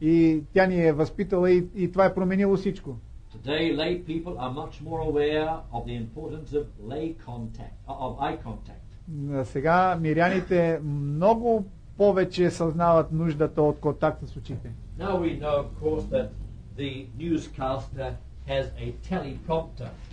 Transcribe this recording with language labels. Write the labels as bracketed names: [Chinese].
[Bulgarian] И тя ни е възпитала и това е променило всичко. [English] Today, lay people are much more aware of the importance of lay contact, of eye contact. [Bulgarian] Сега миряните много повече съзнават нуждата от контакта с очите. [English] Now we know, of course, that the newscaster has a teleprompter.